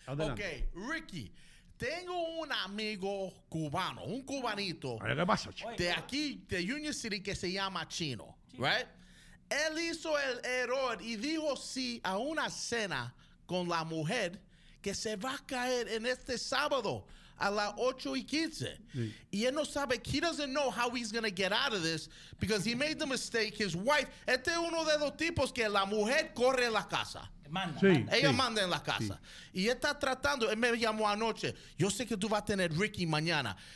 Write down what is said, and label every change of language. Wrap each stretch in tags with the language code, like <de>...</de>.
<es>Adelante. Ok, Ricky, tengo un amigo cubano, un cubanito. ¿Qué pasa, Chino? De aquí, de Union City, que se llama Chino, ¿right? Él hizo el error y dijo sí a una cena con la mujer que se va a caer en este sábado a las 8 y 15. Sí. Y él no sabe,</es> <en>he doesn't know how he's going to get out of this because he made the mistake, his wife,</en> <es>este es uno de los tipos que la mujer corre en la casa. Manda, sí, manda. Ella sí. manda en la casa. Sí. Y está tratando, él me llamó anoche, yo sé que tú vas a tener Ricky mañana.</es>